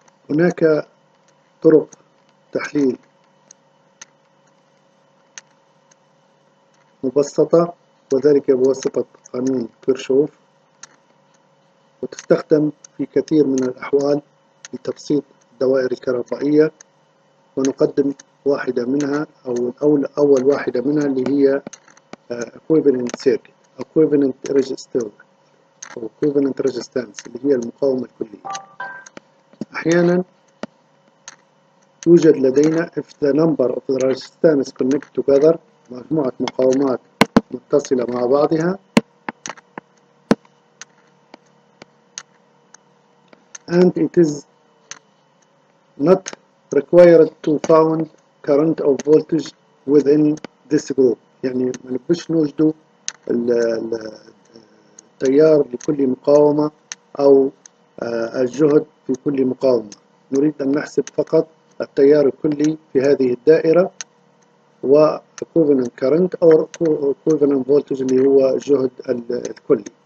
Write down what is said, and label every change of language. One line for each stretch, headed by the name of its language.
Arabic: هناك طرق تحليل مبسطة، وذلك بواسطة قانون كيرشوف، وتستخدم في كثير من الأحوال لتبسيط الدوائر الكهربائية. ونقدم واحدة منها أول واحدة منها، اللي هي equivalent circuit، equivalent resistor أو equivalent resistance، اللي هي المقاومة الكلية. أحيانا يوجد لدينا
English: if the number of the resistance connected together،
Arabic: مجموعة مقاومات متصلة مع بعضها،
English: and it is not required to found current or voltage within this group.
Arabic: يعني ما نبش نوجدوا التيار لكل مقاومة أو الجهد في كل مقاومة، نريد أن نحسب فقط التيار الكلي في هذه الدائرة و equivalent current أو equivalent voltage اللي هو الجهد الكلي.